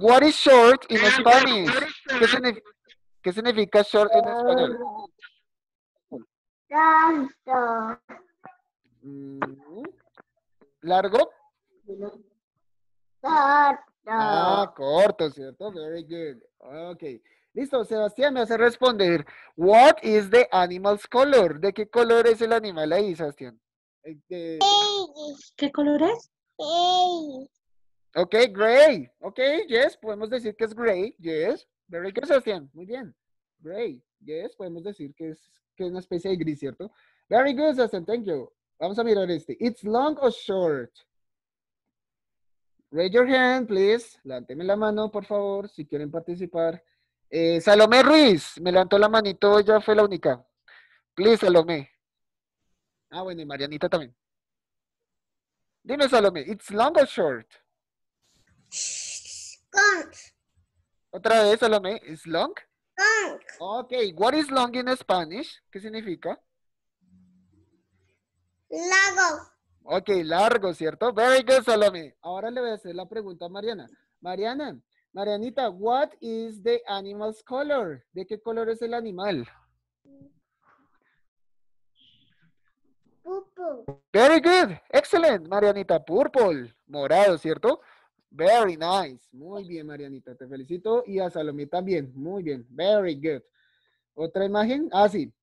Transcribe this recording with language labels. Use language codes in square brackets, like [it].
[en] What is short in Spanish? [es] ¿Qué significa short en español? Largo. ¿Largo? Corto. Ah, corto, ¿cierto? [en] Very good. [es] Okay. Listo, Sebastián, me hace responder. [en] What is the animal's color? [es] ¿De qué color es el animal ahí, Sebastián? ¿Qué color es? [en] Okay, gray. [es] Okay, yes, podemos decir que es gray. [en] Yes, very good, Sebastián. [es] Muy bien. Gray. Yes, podemos decir que es una especie de gris, ¿cierto? [en] Very good, Sebastián. Thank you. [es] Vamos a mirar este. [en] It's long or short? Raise your hand, please. [es] Levanteme la mano, por favor, si quieren participar. Salomé Ruiz, me levantó la manito, ya fue la única. Please, Salomé. Ah, bueno, y Marianita también. Dime, [en] Salomé, ¿it's long or short? Long. [es] Otra vez, Salomé, [en] ¿it's long? Long. Okay, what is long in Spanish? [es] ¿Qué significa? Largo. Okay, largo, ¿cierto? [en] Very good, [es] Salomé. Ahora le voy a hacer la pregunta a Mariana. [en] Mariana, Marianita, what is the animal's color? [es] ¿De qué color es el animal? [en] Purple. Very good. Excellent, Marianita. Purple. [es] Morado, ¿cierto? [en] Very nice. [es] Muy bien, Marianita. Te felicito. Y a Salomé también. Muy bien. [en] Very good. [es] ¿Otra imagen? Ah, sí.